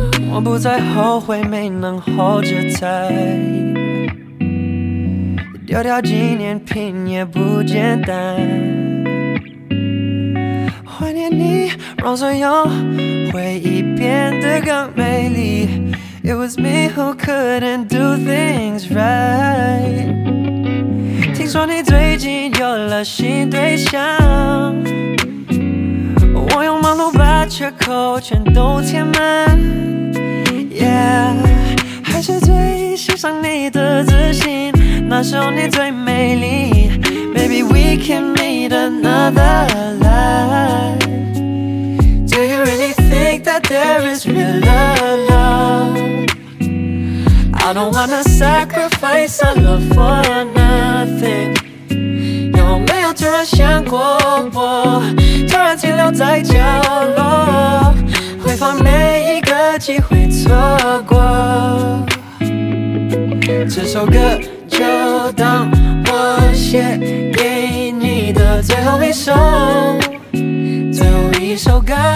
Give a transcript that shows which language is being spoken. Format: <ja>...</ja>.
<zh>我不再后悔没能 hold 着在，丢掉纪念品也不简单。怀念你，让所有回忆变得更美丽。</zh> <en>It was me who couldn't do things right。</en> <zh>听说你最近有了新对象，我用忙碌把缺口全都填满。 Yeah， 还是最欣赏你的自信，那时候你最美丽。</zh> <en>Maybe we can meet another life。 Do you really think that there is real love? I don't wanna sacrifice our love for nothing.</en> <zh>有没有突然想过我突然停留在角落，回放每一个机会错过。这首歌就当我写给你的最后一首，最后一首歌。</zh>